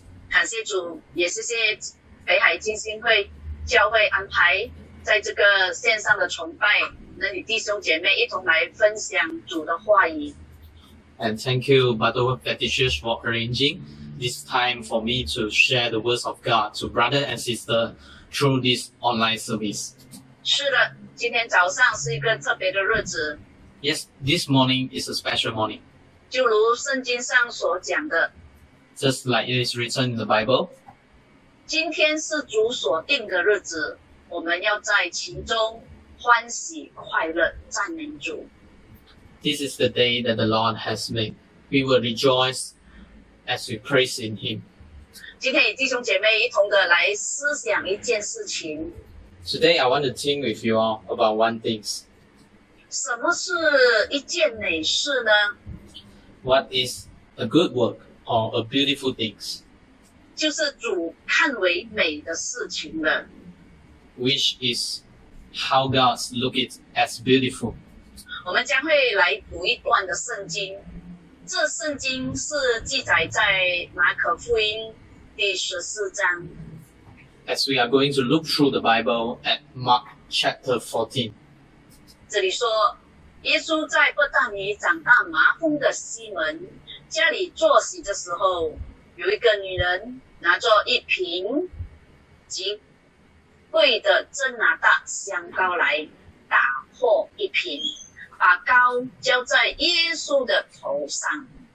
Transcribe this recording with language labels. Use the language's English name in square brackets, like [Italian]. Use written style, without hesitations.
[Chinese] 感谢主，也谢谢北海金星会教会安排在这个线上的崇拜，能与弟兄姐妹一同来分享主的话语。 [English] And thank you, Brother Petitius, for arranging this time for me to share the words of God to brother and sister through this online service. [Chinese] 是的，今天早上是一个特别的日子。 [English] Yes, this morning is a special morning. [Chinese] 就如圣经上所讲的。 [English] Just like it is written in the Bible. [Chinese] 今天是主所定的日子，我们要在其中欢喜快乐，赞美主。 [English] This is the day that the Lord has made. We will rejoice as we praise in Him. [Chinese] 今天与弟兄姐妹一同的来思想一件事情。 [English] Today I want to think with you all about one thing. [Chinese] 什么是一件美事呢？ [English] What is a good work or a beautiful thing? [Chinese] 就是主看为美的事情了。 [English] Which is how God looks it as beautiful. [Chinese] 我们将会来读一段的圣经，这圣经是记载在马可福音第十四章。 [English] As we are going to look through the Bible at Mark chapter 14. [Chinese] 这里说，耶稣在伯大尼长大麻风的西门家里坐席的时候，有一个女人拿着一瓶极贵的真拿大香膏来打破一瓶，把膏浇在耶稣的头上。